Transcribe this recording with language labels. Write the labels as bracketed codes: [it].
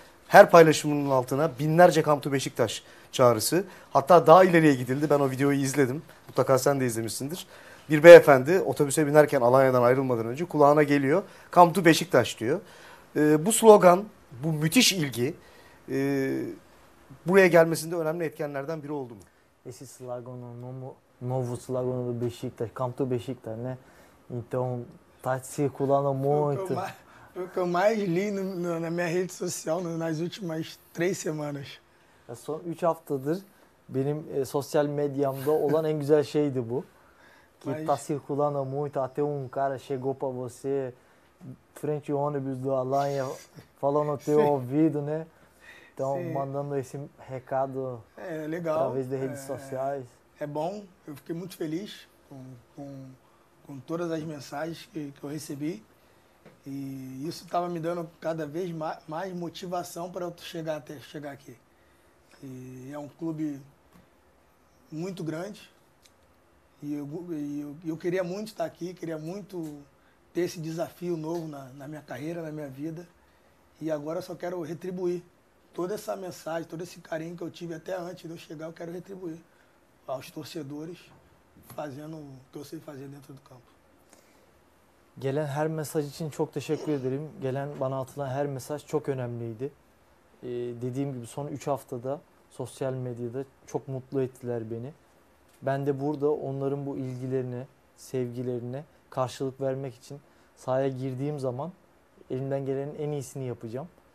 [tr] Her paylaşımının altına binlerce Come to Beşiktaş çağrısı, hatta daha ileriye gidildi, ben o videoyu izledim, mutlaka sen de izlemişsindir. Bir beyefendi otobüse binerken Alanya'dan ayrılmadan önce kulağına geliyor. Come to Beşiktaş diyor. Bu slogan, bu müthiş ilgi buraya gelmesinde önemli etkenlerden biri oldu mu? [pt] Esse slogan, novo slogan do Beşiktaş, Come to Beşiktaş, né? Então, tá circulando muito. O que eu mais li na minha rede social nas últimas três semanas. [tr] Son 3 haftadır benim sosyal medyamda olan en güzel şeydi bu. [pt] Que está circulando muito, até um cara chegou para você frente ônibus do Alanya falando no teu ouvido, né? Então, mandando esse recado através das redes sociais. É bom, eu fiquei muito feliz com todas as mensagens que eu recebi. E isso estava me dando cada vez mais motivação para eu chegar aqui. E é um clube muito grande. E eu queria muito estar aqui, queria muito ter esse desafio novo na minha carreira, na minha vida. E agora eu só quero retribuir toda essa mensagem, todo esse carinho que eu tive até antes de eu chegar, eu quero retribuir aos torcedores fazendo o que eu sei fazer dentro do campo. [tr] Gelen her mesaj için çok teşekkür ederim. Gelen bana atılan her mesaj çok önemliydi. Dediğim gibi son 3 haftada sosyal medyada çok mutlu ettiler beni. Ben de burada onların bu ilgilerine, sevgilerine karşılık vermek için sahaya girdiğim zaman elimden gelenin en iyisini yapacağım.